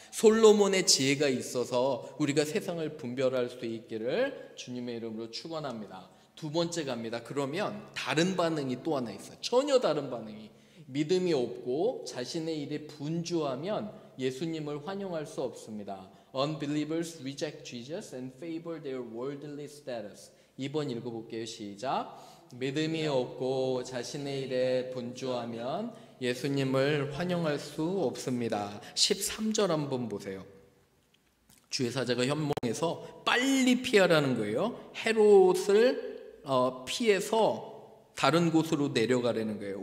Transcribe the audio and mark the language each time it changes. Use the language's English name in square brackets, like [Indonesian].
[Korean] 솔로몬의 지혜가 있어서 우리가 세상을 분별할 수 있기를 주님의 이름으로 축원합니다. 두 번째 갑니다. 그러면 다른 반응이 또 하나 있어요. 전혀 다른 반응이. 믿음이 없고 자신의 일에 분주하면 예수님을 환영할 수 없습니다. [English] Unbelievers reject Jesus and favor their worldly status. [Korean] 2번 읽어볼게요. 시작. 믿음이 없고 자신의 일에 분주하면 예수님을 환영할 수 없습니다. 13절 한번 보세요. 주의 사자가 현몽에서 빨리 피하라는 거예요. 헤롯을 피해서 다른 곳으로 내려가라는 거예요.